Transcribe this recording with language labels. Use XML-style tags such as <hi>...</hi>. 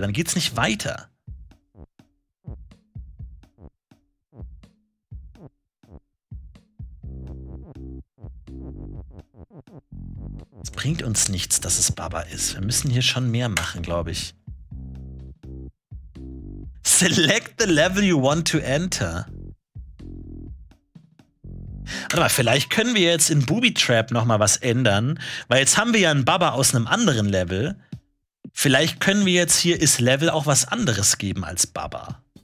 <de>Dann geht's nicht weiter. Es bringt uns nichts, dass es Baba ist. Wir müssen hier schon mehr machen, glaube ich.</de> <en>Select the level you want to enter.</en> <de>Warte mal, vielleicht können wir jetzt in Booby Trap nochmal was ändern, weil jetzt haben wir ja einen Baba aus einem anderen Level. Vielleicht können wir jetzt hier ist Level auch was anderes geben als Baba.</de>